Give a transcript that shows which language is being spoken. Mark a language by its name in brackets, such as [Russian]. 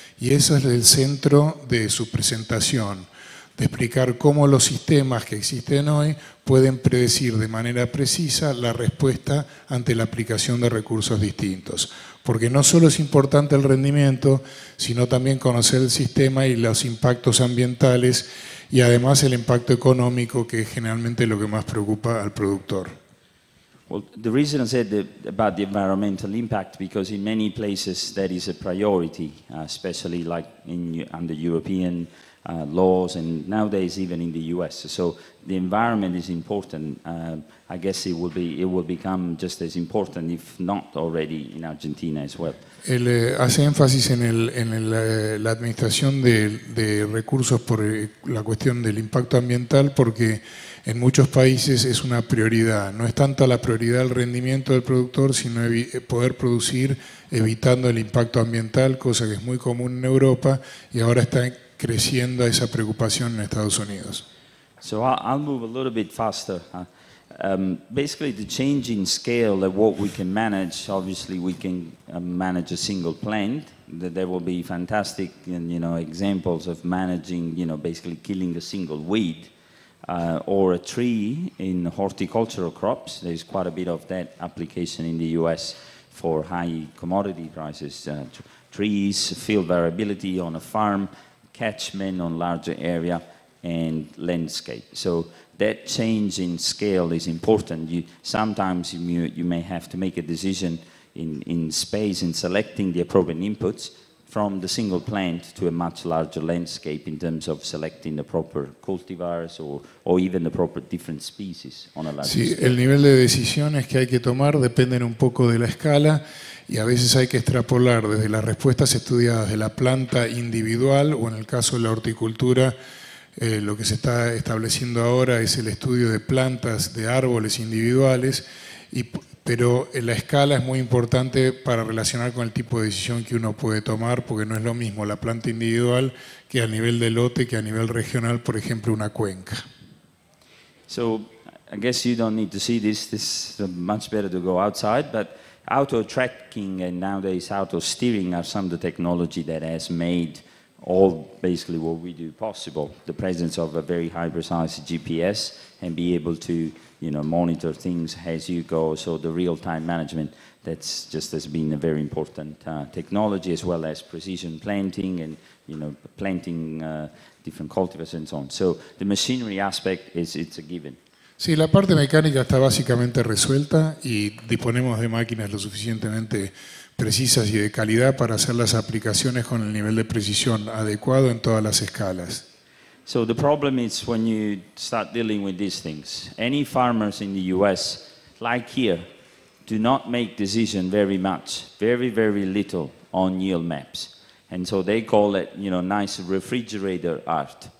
[Spanish] Y eso es el centro de su presentación, de explicar cómo los sistemas que existen hoy pueden predecir de manera precisa la respuesta ante la aplicación de recursos distintos. Porque no solo es importante el rendimiento, sino también conocer el sistema y los impactos ambientales y además el impacto económico, que es generalmente lo que más preocupa al productor. [English] Well, the reason I said about the environmental impact, because in many places that is a priority, especially like under European laws and nowadays even in the US. So the environment is important. I guess it will become just as important, if not already, in Argentina as well. [Spanish] Él hace énfasis en la administración de recursos por la cuestión del impacto ambiental, porque en muchos países es una prioridad. No es tanto la prioridad el rendimiento del productor, sino poder producir evitando el impacto ambiental, cosa que es muy común en Europa y ahora está creciendo esa preocupación en Estados Unidos. [English] So I'll move a little bit faster. Basically, the change in scale of what we can manage, obviously we can manage a single plant. There will be fantastic, you know, examples of managing, you know, basically killing a single weed or a tree in horticultural crops. There's quite a bit of that application in the U.S. for high commodity prices. Trees, field variability on a farm, catchment on larger area, and landscape. So that change in scale is important. Sometimes you may have to make a decision in space and selecting the appropriate inputs from the single plant to a much larger landscape in terms of selecting the proper cultivars or even the proper different species on a larger scale. [Spanish] Sí, el nivel de decisiones que hay que tomar dependen un poco de la escala. Y a veces hay que extrapolar desde las respuestas estudiadas de la planta individual o en el caso de la horticultura, lo que se está estableciendo ahora es el estudio de plantas, de árboles individuales, pero la escala es muy importante para relacionar con el tipo de decisión que uno puede tomar, porque no es lo mismo la planta individual que a nivel de lote, que a nivel regional, por ejemplo, una cuenca. [English] So, I guess you don't need to see this. This is much better to go outside, but auto-tracking and nowadays auto-steering are some of the technology that has made all basically what we do possible. The presence of a very high precise GPS and be able to, you know, monitor things as you go. So the real-time management, that's just has been a very important technology, as well as precision planting and, you know, planting different cultivars and so on. So the machinery aspect it's a given. [Spanish] Sí, la parte mecánica está básicamente resuelta y disponemos de máquinas lo suficientemente precisas y de calidad para hacer las aplicaciones con el nivel de precisión adecuado en todas las escalas. [English] So the problem is when you start dealing with these things. Any farmers in the US, like here, do not make decisions very much, very, very little on yield maps. And so they call it, you know, nice refrigerator art.